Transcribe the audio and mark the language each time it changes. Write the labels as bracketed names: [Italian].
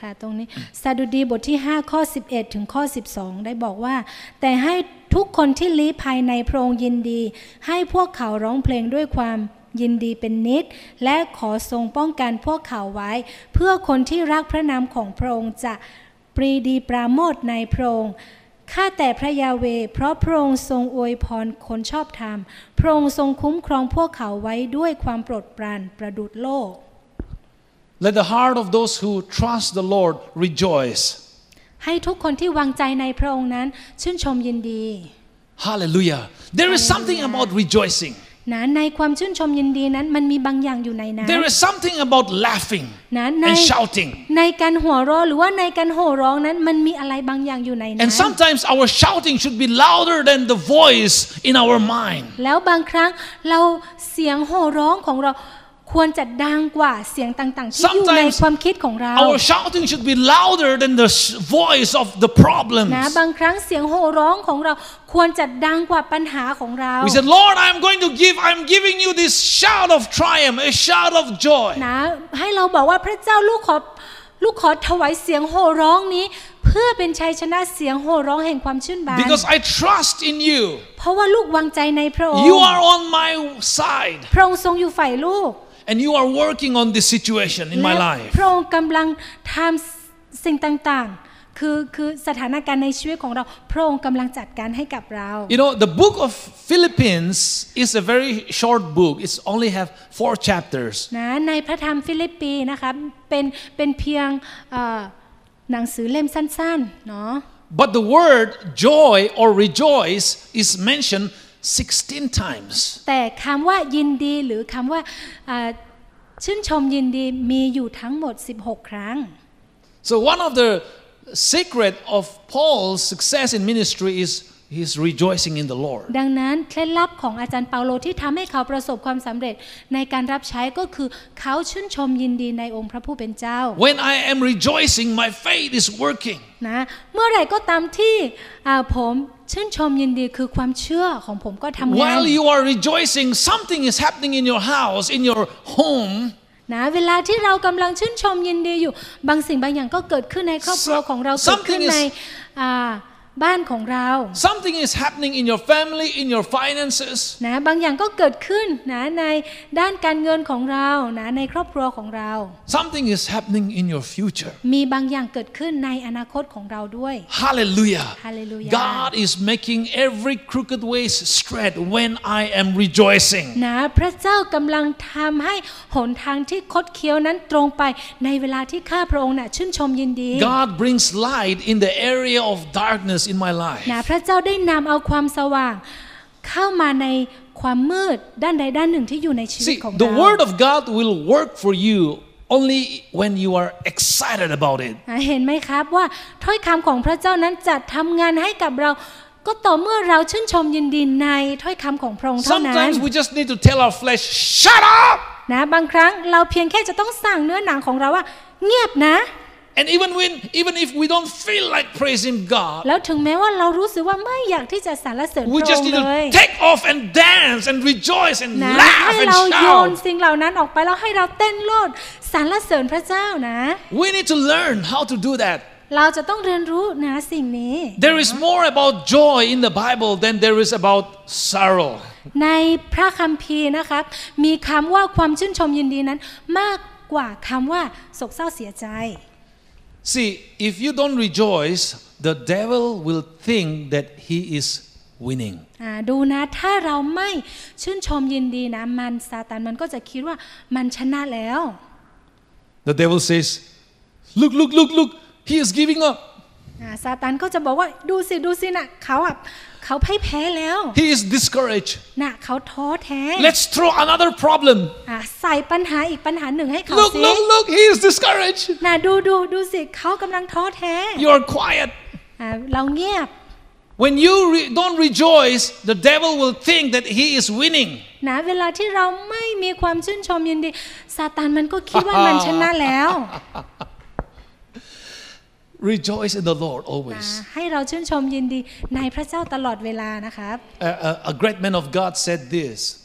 [Thai] ค่ะตรงนี้สดุดีบทที่5ข้อ11ถึงข้อ12ได้บอกว่าแต่ให้ทุกคนที่ลี้ภัยในพระองค์ยินดีให้พวกเขาร้องเพลงด้วยความยินดีเป็นนิดและขอทรงป้องกันพวกเขาไว้เพื่อคนที่รักพระนามของพระองค์จะปรีดีปราโมทในพระองค์ข้าแต่พระยาเวห์เพราะพระองค์ทรงอวยพรคนชอบธรรมพระองค์ทรงคุ้มครองพวกเขาไว้ด้วยความโปรดปรานประดุจโลก [English] Let the heart of those who trust the Lord rejoice [Thai] ให้ทุกคนที่วางใจในพระองค์นั้นชื่นชมยินดี [English] Hallelujah There is something about rejoicing [Thai] นะในความชื่นชมยินดีนั้นมันมีบางอย่างอยู่ในนั้น [English] There is something about laughing [Thai] นะ [English] and shouting [Thai] ในการหัวเราะหรือว่าในการโห่ร้องนั้นมันมีอะไรบางอย่างอยู่ในนั้น [English] And sometimes our shouting should be louder than the voice in our mind [Thai] แล้วบางครั้งเราเสียงโห่ร้องของเราควรจะดังกว่าเสียงต่างๆที่อยู่ในความคิดของเรา [English] Our shouting should be louder than the voice of the problems [Thai] นะบางครั้งเสียงโห่ร้องของเราควรจะดังกว่าปัญหาของเรา [English] We said Lord I'm going to give I'm giving you this shout of triumph a shout of joy [Thai] นะให้เราบอกว่าพระเจ้าลูกขอถวายเสียงโห่ร้องนี้เพื่อเป็นชัยชนะเสียงโห่ร้องแห่งความชื่นบาน [English] Because I trust in you [Thai] เพราะว่าลูกวางใจในพระองค์ [English] You are on my side [Thai] พระองค์ทรงอยู่ฝ่ายลูก [English] And you are working on this situation in my life. [Thai] พระองค์กำลังทำสิ่งต่างๆคือสถานการณ์ในชีวิตของเราพระองค์กำลังจัดการให้กับเรา [English] You know the book of Philippians is a very short book. It's only have 4 chapters. [Thai] นะในพระธรรมฟิลิปปีนะคะเป็นเพียงหนังสือเล่มสั้นๆเนาะ [English] But the word joy or rejoice is mentioned 16 times [Thai] แต่คำว่ายินดีหรือคำว่าชื่นชมยินดีมีอยู่ทั้งหมด16ครั้ง [English] So one of the secret of Paul's success in ministry is his rejoicing in the Lord [Thai] ดังนั้นเคล็ดลับของอาจารย์เปาโลที่ทำให้เขาประสบความสำเร็จในการรับใช้ก็คือเขาชื่นชมยินดีในองค์พระผู้เป็นเจ้า [English] When I am rejoicing my faith is working [Thai] นะเมื่อไรก็ตามที่ผมชื่นชมยินดีคือความเชื่อของผมก็ทำงาน [English] While you are rejoicing something is happening in your house in your home [Thai] นะเวลาที่เรากำลังชื่นชมยินดีอยู่บางสิ่งบางอย่างก็เกิดขึ้นในครอบครัวของเราเกิดขึ้นใน บ้านของเรา [English] Something is happening in your family, in your finances. [Thai] นะบางอย่างก็เกิดขึ้นนะในด้านการเงินของเรานะในครอบครัวของเรา [English] Something is happening in your future. [Thai] มีบางอย่างเกิดขึ้นในอนาคตของเราด้วย [English] Hallelujah. Hallelujah. God is making every crooked way straight when I am rejoicing. [Thai] นะพระเจ้ากำลังทำให้หนทางที่คดเคี้ยวนั้นตรงไปในเวลาที่ข้าพระองค์น่ะชื่นชมยินดี [English] God brings light in the area of darkness. In my life. [Thai] นะพระเจ้าได้นำเอาความสว่างเข้ามาในความมืดด้านใดด้านหนึ่งที่อยู่ในชีวิตของเรา [English] See, the word of God will work for you only when you are excited about it. [Thai] เห็นไหมครับว่าถ้อยคำของพระเจ้านั้นจะทำงานให้กับเราก็ต่อเมื่อเราชื่นชมยินดีในถ้อยคำของพระองค์เท่านั้น [English] Sometimes we just need to tell our flesh, shut up. [Thai] นะบางครั้งเราเพียงแค่จะต้องสั่งเนื้อหนังของเราว่าเงียบนะ [English] And even if we don't feel like praising God, [Thai] แล้วถึงแม้ว่าเรารู้สึกว่าไม่อยากที่จะสรรเสริญพระองค์เลย [English] we just need to take off and dance and rejoice and laugh and shout. [Thai] ให้เราโยนสิ่งเหล่านั้นออกไปแล้วให้เราเต้นโลดสรรเสริญพระเจ้านะ [English] We need to learn how to do that. [Thai] เราจะต้องเรียนรู้นะสิ่งนี้ [English] There is more about joy in the Bible than there is about sorrow. [Thai] ในพระคัมภีร์นะครับมีคำว่าความชื่นชมยินดีนั้นมากกว่าคำว่าโศกเศร้าเสียใจ [English] See, if you don't rejoice, the devil will think that he is winning. [Thai] ดูนะถ้าเราไม่ชื่นชมยินดีนะมันซาตานมันก็จะคิดว่ามันชนะแล้ว [English] The devil says, look, he is giving up. [Thai] ซาตานก็จะบอกว่าดูสิน่ะเขาพ่ายแพ้แล้ว [English] He is discouraged. [Thai] น่ะเขาท้อแท้ [English] Let's throw another problem. [Thai] ใส่ปัญหาอีกปัญหาหนึ่งให้เขาสิ [English] Look, he is discouraged. [Thai] น่ะดูสิเขากำลังท้อแท้ [English] You are quiet. [Thai] เราเงียบ [English] When you don't rejoice, the devil will think that he is winning. [Thai] น่ะเวลาที่เราไม่มีความชื่นชมยินดีซาตานมันก็คิดว่ามันชนะแล้ว [English] Rejoice in the Lord always. [Thai] ให้เราชื่นชมยินดีในพระเจ้าตลอดเวลานะครับ [English] A great man of God said this.